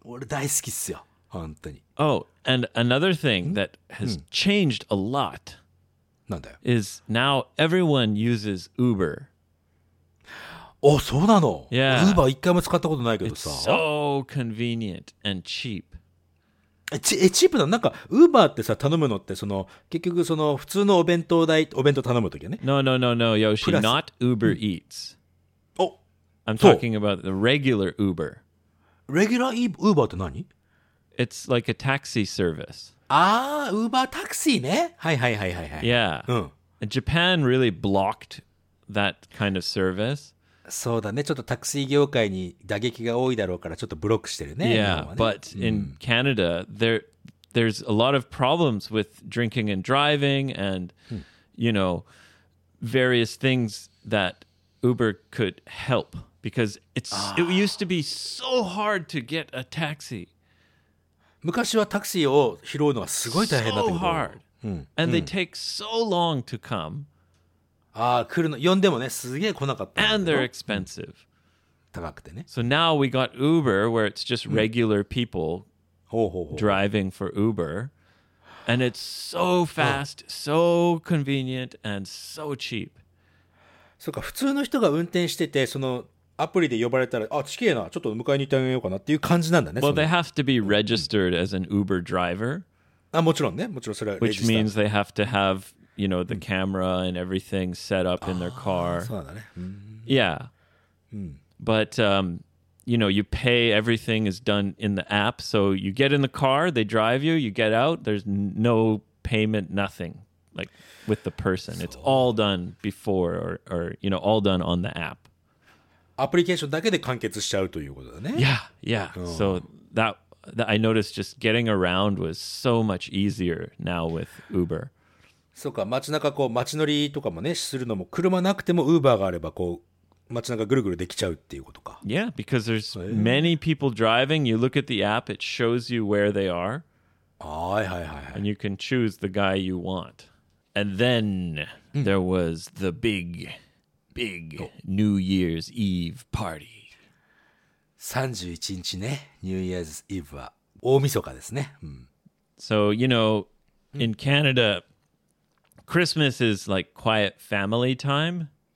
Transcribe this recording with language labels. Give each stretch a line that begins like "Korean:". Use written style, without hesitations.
Japanese: やっぱりさ、なんか男同士の飲み会とかってさ、俺大好きっすよ、本当に。Oh,
English: and another thing that has changed a lot is now everyone uses Uber.
Japanese: Oh, そうなの?
English: Yeah.
Japanese: Uber一回も使ったことないけどさ。
English: It's so convenient and cheap.
Japanese: え、チープなの? なんか Uber ってさ、頼むのって、その、結局その普通のお弁当代、お弁当頼むときはね。
English: No, no, no, no, Yoshi, not Uber Eats. Oh. I'm talking about the regular Uber.
Japanese: Regular Uber って何?
English: It's like a taxi service.
Japanese: Ah, Uber taxi, ne? Hi, hi, hi, hi, hi.
English: Yeah. Japan really blocked that kind of service.
Japanese: So, ちょっとタクシー業界に打撃が多いだろうから、ちょっとブロックしてるね。
English: Yeah, but in Canada, there's a lot of problems with drinking and driving and, you know, various things that Uber could help because it used to be so hard to get a taxi.
Japanese: 昔はタクシーを拾うのはすごい大変だったけど。
English: So hard. And they take so long to come.
Japanese: ああ、来るの、呼んでもね、すげえ来なかった。
English: And they're expensive.
Japanese: 高くてね。
English: So now we got Uber where it's just regular people driving for Uber. And it's so fast, so convenient, and so cheap.
Japanese: そうか、普通の人が運転してて、その アプリで呼ばれたら、あ、近いな、ちょっと迎えに行ってみようかなっていう感じなんだね。
English: Well, they have to be registered as an Uber driver.
Japanese: あ、もちろんね、もちろんそれは。
English: Which means they have to have, you know, the camera and everything set up in their car.
Japanese: そうだね。
English: Yeah. But, you know, you pay, everything is done in the app. So you get in the car, they drive you, you get out, there's no payment, nothing, like with the person. It's all done before or, you know, all done on the app.
Japanese: アプリケーションだけで完結しちゃうということだね。
English: Yeah, yeah. So that I noticed just getting around was so much easier now with Uber.
Japanese: そうか、街中こう街乗りとかもね、するのも車なくても Uber があればこう街中ぐるぐるできちゃうっていうことか。
English: Yeah, because there's many people driving. You look at the app, it shows you where they are.
Japanese: はいはいはいはい。
English: And you can choose the guy you want. And then there was the big New Year's Eve party.
Japanese: 31日ね、 New Year's Eve は大晦日ですね。
English: So, you know, in Canada, Christmas is like quiet family time.